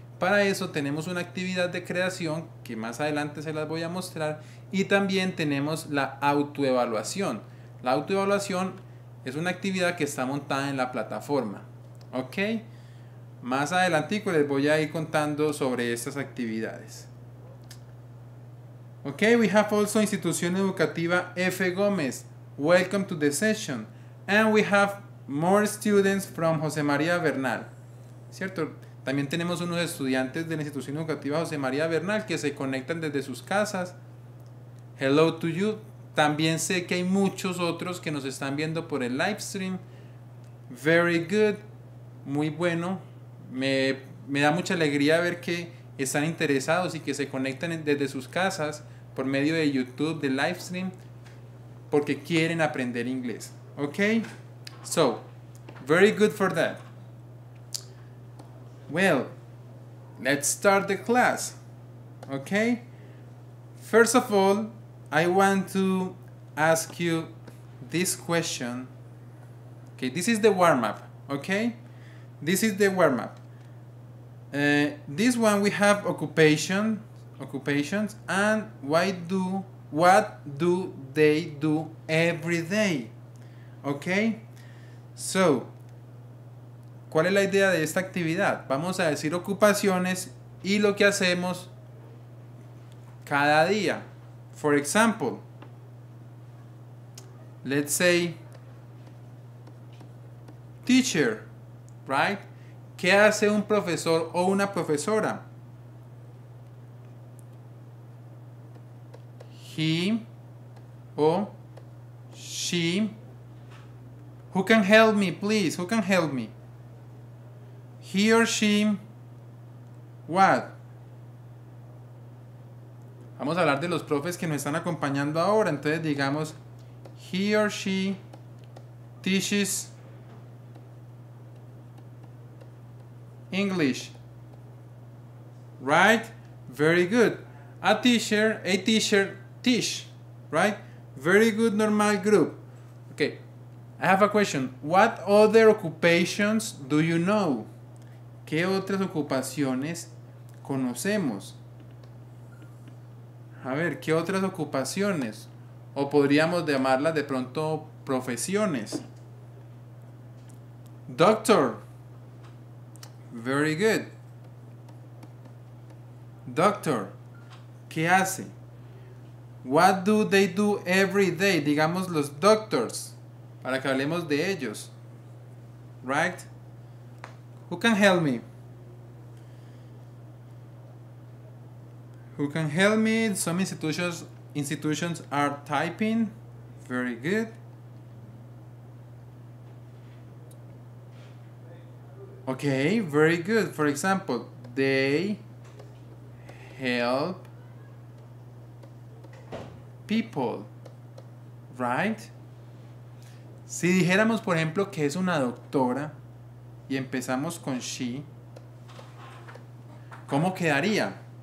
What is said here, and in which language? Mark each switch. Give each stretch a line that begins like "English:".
Spanish: Para eso tenemos una actividad de creación que más adelante se las voy a mostrar y también tenemos la autoevaluación. La autoevaluación es una actividad que está montada en la plataforma, ¿ok? Más adelantico les voy a ir contando sobre estas actividades.
English: Ok, we have also Institución Educativa F. Gómez. Welcome to the session. And we have more students from José María Bernal.
Spanish: ¿Cierto? También tenemos unos estudiantes de la Institución Educativa José María Bernal que se conectan desde sus casas.
English: Hello to you.
Spanish: También sé que hay muchos otros que nos están viendo por el live stream.
English: Very good.
Spanish: Muy bueno. Me da mucha alegría ver que están interesados y que se conectan desde sus casas por medio de YouTube, de live stream, porque quieren aprender inglés.
English: Ok, so very good for that. Well, let's start the class. Ok, first of all, I want to ask you this question. Ok, this is the warm up. Ok, this is the warm up. This one we have occupations and what do they do every day? Okay?
Spanish: So, ¿cuál es la idea de esta actividad? Vamos a decir ocupaciones y lo que hacemos cada día.
English: For example, let's say teacher, right?
Spanish: ¿Qué hace un profesor o una profesora? He o she.
English: Who can help me, please? Who can help me? He or she. What?
Spanish: Vamos a hablar de los profes que nos están acompañando ahora. Entonces digamos,
English: he or she teaches English, right? Very good. A teacher teach, right? Very good. Normal group. Okay, I have a question. What other occupations do you know?
Spanish: ¿Qué otras ocupaciones conocemos? A ver, ¿qué otras ocupaciones? O podríamos llamarlas de pronto profesiones.
English: Doctor. Very good.
Spanish: Doctor, ¿qué hace?
English: What do they do every day?
Spanish: Digamos los doctors, para que hablemos de ellos.
English: Right? Who can help me? Who can help me? Some institutions are typing. Very good. Okay, very good. For example, they help people. Right?
Spanish: Si dijéramos, por ejemplo, que es una doctora y empezamos con she, ¿cómo quedaría?